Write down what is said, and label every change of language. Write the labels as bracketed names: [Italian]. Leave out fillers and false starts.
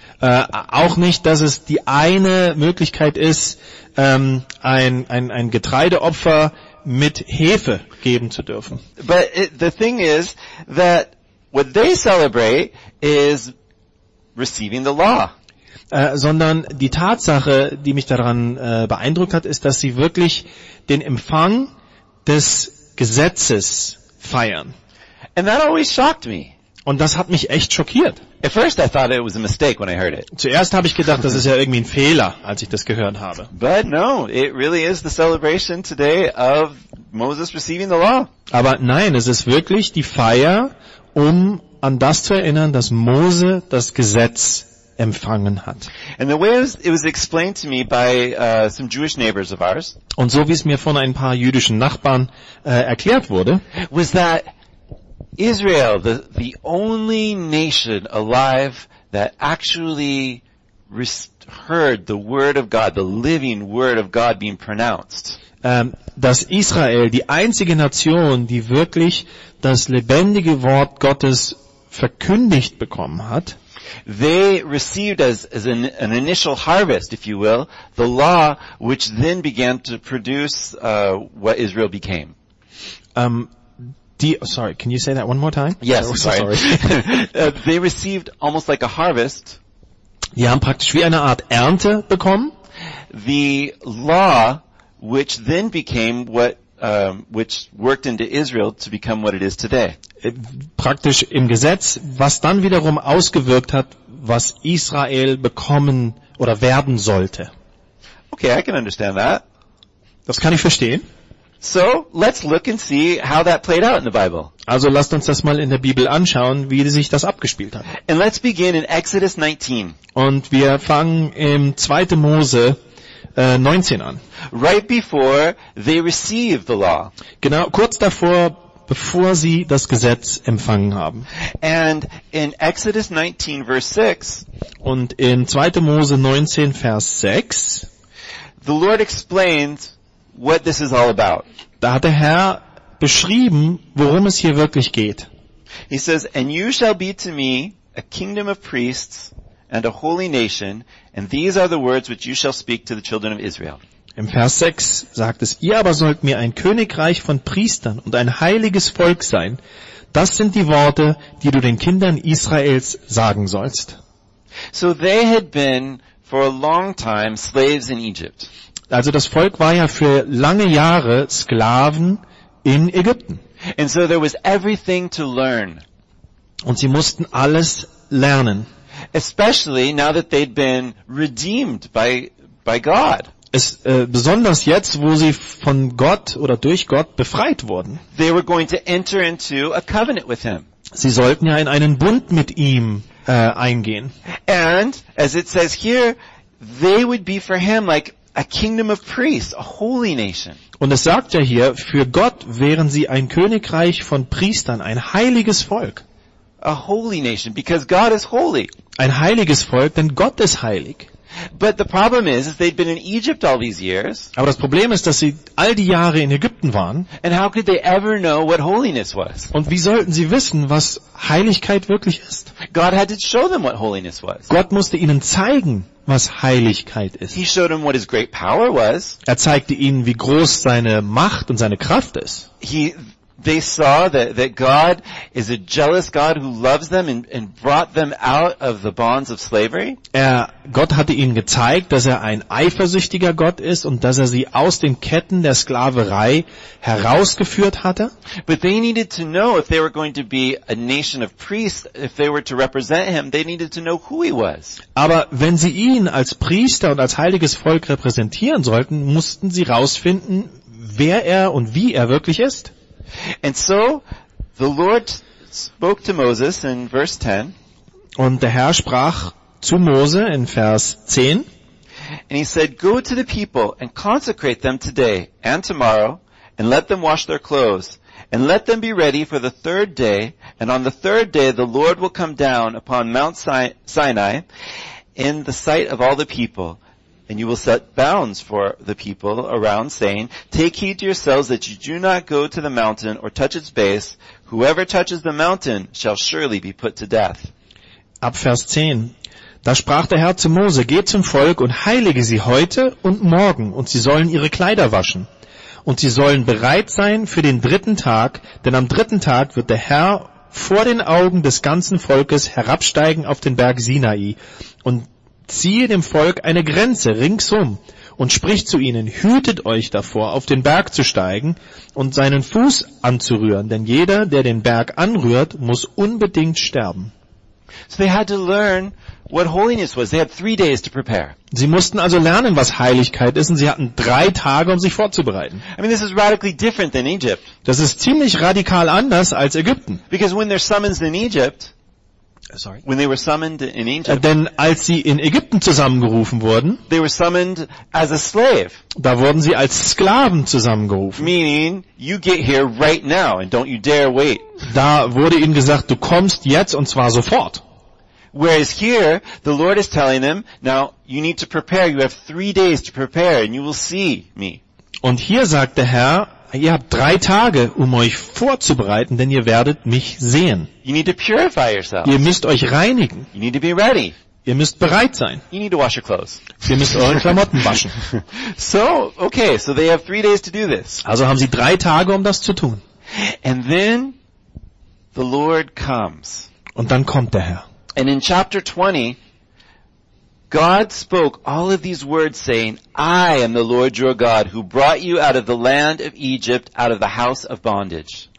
[German] Auch nicht, dass es die eine Möglichkeit ist, ein Getreideopfer mit Hefe geben zu dürfen. [English] But the thing is that what they celebrate is receiving the law. [German] Sondern die Tatsache, die mich daran beeindruckt hat, ist, dass sie wirklich den Empfang des Gesetzes feiern. [English] And that always shocked me. [German] Und das hat mich echt schockiert. [English] At first I thought it was a mistake when I heard it. [German] Zuerst habe ich gedacht, das ist ja irgendwie ein Fehler, als ich das gehört habe. [English] But no, it really is the celebration today of Moses receiving the law. [German] Aber nein, es ist wirklich die Feier, um an das zu erinnern, dass Mose das Gesetz empfangen hat. [English] And the way it was explained to me by some Jewish neighbors of ours. [German] Und so wie es mir von ein paar jüdischen Nachbarn erklärt wurde, [English] was that Israel, the only nation alive that actually heard the word of God, the living word of God being pronounced. [German] Dass Israel die einzige Nation, die wirklich das lebendige Wort Gottes verkündigt bekommen hat. [English] they received as an initial harvest, if you will, the law, which then began to produce what Israel became. Sorry, can you say that one more time? Yes, sorry. they received almost like a harvest. [German] Die haben praktisch wie eine Art Ernte bekommen. [English] The law, which then became what, which worked into Israel to become what it is today. [German] Praktisch im Gesetz, was dann wiederum ausgewirkt hat, was Israel bekommen oder werden sollte. [English] Okay, I can understand that. [German] Das kann ich verstehen. [English] So, let's look and see how that played out in the Bible. [German] Also lasst uns das mal in der Bibel anschauen, wie sich das abgespielt hat. [English] And let's begin in Exodus 19. [German] Und wir fangen im 2. Mose 19 an. [English] Right before they receive the law. [German] Genau, kurz davor, bevor sie das Gesetz empfangen haben. [English] And in Exodus 19, verse 6. [German] Und in 2. Mose 19, Vers 6. [English] The Lord explains what this is all about. [German] Da hat der Herr beschrieben, worum es hier wirklich geht. [English] He says, and you shall be to me a kingdom of priests and a holy nation, and these are the words which you shall speak to the children of Israel. [German] Im Vers 6 sagt es, ihr aber sollt mir ein Königreich von Priestern und ein heiliges Volk sein. Das sind die Worte, die du den Kindern Israels sagen sollst. [English] So they had been for a long time slaves in Egypt. [German] Also das Volk war ja für lange Jahre Sklaven in Ägypten. [English] And so there was everything to learn. [German] Und sie mussten alles lernen. [English] Especially now that they'd been redeemed by God. [German] Besonders jetzt, wo sie von Gott oder durch Gott befreit wurden. [English] They were going to enter into a covenant with him. [German] Sie sollten ja in einen Bund mit ihm eingehen. [English] And as it says here, they would be for him like a kingdom of priests, a holy nation. [German] Und es sagt ja hier, für Gott wären sie ein Königreich von Priestern, ein heiliges Volk. [English] A holy nation, because God is holy. [German] Ein heiliges Volk, denn Gott ist heilig. [English] But the problem is they'd been in Egypt all these years. [German] Aber das Problem ist, dass sie all die Jahre in Ägypten waren. [English] And how could they ever know what holiness was? [German] Und wie sollten sie wissen, was Heiligkeit wirklich ist? [English] God had to show them what holiness was. [German] Gott musste ihnen zeigen, was Heiligkeit ist. [English] He showed him what his great power was. [German] Er zeigte ihnen, wie groß seine Macht und seine Kraft ist. [English] They saw that God is a jealous God who loves them and brought them out of the bonds of slavery. [German] Gott hatte ihnen gezeigt, dass er ein eifersüchtiger Gott ist und dass er sie aus den Ketten der Sklaverei herausgeführt hatte. [English] But they needed to know if they were going to be a nation of priests, if they were to represent him, they needed to know who he was. [German] Aber wenn sie ihn als Priester und als heiliges Volk repräsentieren sollten, mussten sie rausfinden, wer er und wie er wirklich ist. [English] And so the Lord spoke to Moses in verse 10. [German] Und der Herr sprach zu Mose in Vers 10. [English] And he said, go to the people and consecrate them today and tomorrow and let them wash their clothes and let them be ready for the third day, and on the third day the Lord will come down upon Mount Sinai in the sight of all the people. And you will set bounds for the people around, saying, take heed to yourselves that you do not go to the mountain or touch its base. Whoever touches the mountain shall surely be put to death. [German] Ab Vers 10. Da sprach der Herr zu Mose, geh zum Volk und heilige sie heute und morgen, und sie sollen ihre Kleider waschen. Und sie sollen bereit sein für den dritten Tag, denn am dritten Tag wird der Herr vor den Augen des ganzen Volkes herabsteigen auf den Berg Sinai. Und ziehe dem Volk eine Grenze ringsum und sprich zu ihnen, hütet euch davor, auf den Berg zu steigen und seinen Fuß anzurühren, denn jeder, der den Berg anrührt, muss unbedingt sterben. [English] So they had to learn what holiness was. They had 3 days to prepare. [German] Sie mussten also lernen, was Heiligkeit ist, und sie hatten 3 Tage, um sich vorzubereiten. [English] I mean, this is radically different than Egypt. [German] Das ist ziemlich radikal anders als Ägypten. [English] Because when they're summoned in Egypt, sorry. When they were summoned in Egypt, [German] denn als sie in Ägypten zusammengerufen wurden, [English] they were summoned as a slave. [German] Da wurden sie als Sklaven zusammengerufen. [English] Meaning, you get here right now and don't you dare wait. [German] Da wurde ihnen gesagt, du kommst jetzt und zwar sofort. [English] Whereas here, the Lord is telling them, now you need to prepare. You have 3 days to prepare, and you will see me. [German] Und hier sagt der Herr, Ihr habt drei Tage, um euch vorzubereiten, denn ihr werdet mich sehen. [English] You need to purify yourselves. [German] Ihr müsst euch reinigen. [English] You need to be ready. [German] Ihr müsst bereit sein. [English] You need to wash your clothes. [German] Ihr müsst eure Klamotten waschen. [English] So, okay, so they have 3 days to do this. [German] Also haben sie drei Tage, um das zu tun. [English] And then the Lord comes. [German] Und dann kommt der Herr. [English] And in chapter 20, God spoke all of these words saying, I am the Lord your God who brought you out of the land of Egypt, out of the house of bondage.